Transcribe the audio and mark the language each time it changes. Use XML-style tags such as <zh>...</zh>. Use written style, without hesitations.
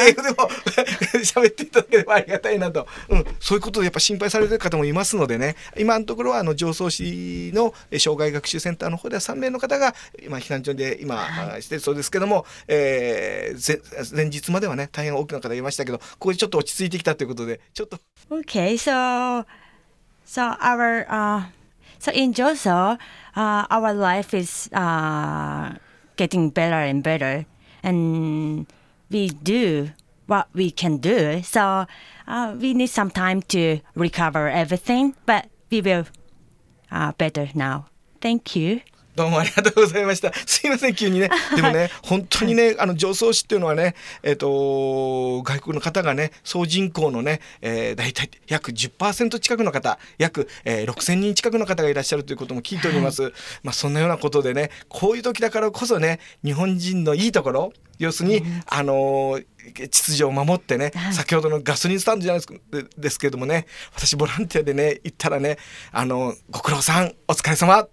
<ja>英語でも喋っていただければありがたいなと、うん、そういうことでやっぱ心配されてる方もいますのでね、今のところはあの上層市の障害学習センターの方では3名の方が今避難所で今、はい、してそうですけども、前日まではね大変多くの方がいましたけど、ここでちょっと落ち着いてきたということで、ちょっと。</ja> <en>Okay, so our, so in Joso, our life is, getting better and better, and we do what we can do. So, we need some time to recover everything, but we will, better now. Thank you.</en> <ja>どうもありがとうございました。すいません、急にね。でもね、本当にね、あの上層市っていうのはね、外国の方がね、総人口のね、大体約 10% 近くの方、約、6000人近くの方がいらっしゃるということも聞いております。まあ、そんなようなことでね、こういう時だからこそね、日本人のいいところ、要するに、秩序を守ってね、先ほどのガソリンスタンドじゃないですけどもね、私ボランティアでね行ったらね、ご苦労さん、お疲れ様、</ja>